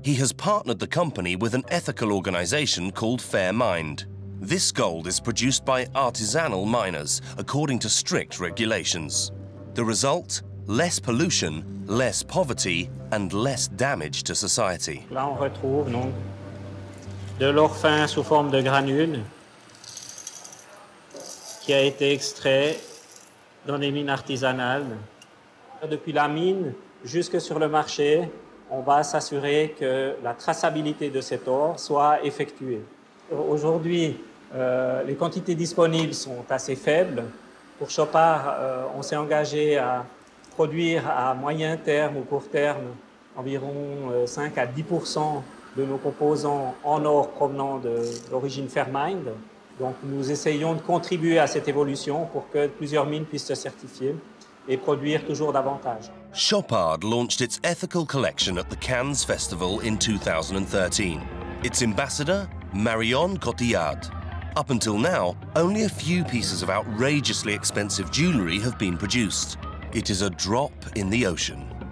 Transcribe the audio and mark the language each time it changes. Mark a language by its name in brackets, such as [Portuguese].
[English] He has partnered the company with an ethical organization called Fair Mind. This gold is produced by artisanal miners according to strict regulations. The result? Less pollution, less poverty, and less damage to society. [French] Là, on retrouve donc de l'or fin sous forme de granules qui a été extrait dans des mines artisanales. Depuis la mine jusque sur le marché, on va s'assurer que la traçabilité de cet or soit effectuée. Aujourd'hui, les quantités disponibles sont assez faibles. Pour Chopard, on s'est engagé à produire à moyen terme ou court terme environ 5 à 10% de nos composants en or provenant de l'origine Fairmind. Donc nous essayons de contribuer à cette évolution pour que plusieurs mines puissent se certifier et produire toujours davantage. [English] Chopard launched its ethical collection at the Cannes Festival in 2013. Its ambassador, Marion Cotillard. Up until now, only a few pieces of outrageously expensive jewelry have been produced. It is a drop in the ocean.